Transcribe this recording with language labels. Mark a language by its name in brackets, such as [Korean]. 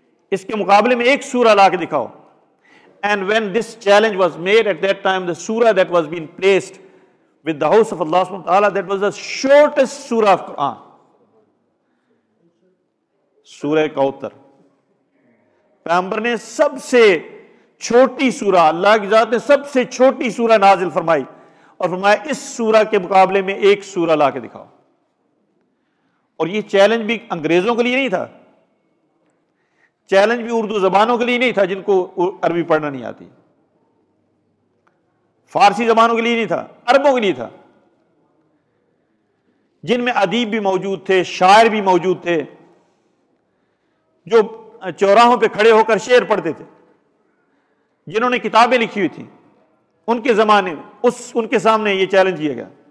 [Urdu] اس کے مقابلے میں ایک سورہ لا کے دکھاؤ. [English] And when this challenge was made at that time, the surah that was being placed with the house of Allah subhanahu wa ta'ala, that was the shortest surah of Quran. [Urdu] سورہ کوثر. پیغمبر نے سب سے چھوٹی سورہ, اللہ کی ذات نے سب سے چھوٹی سورہ نازل فرمائی اور فرمایا اس سورہ کے مقابلے میں ایک سورہ لا کے دکھاؤ. اور یہ چیلنج بھی انگریزوں کے لیے نہیں تھا, چیلنج بھی اردو زبانوں کے لیے نہیں تھا جن کو عربی پڑھنا نہیں آتی, فارسی زبانوں کے لیے نہیں تھا, عربوں کے لیے تھا جن میں ادیب بھی موجود تھے, شاعر بھی موجود تھے, جو چوراہوں پہ کھڑے ہو کر شعر پڑھتے تھے, جنہوں نے کتابیں لکھی ہوئی تھیں, ان کے زمانے اس ان کے سامنے یہ چیلنج کیا گیا.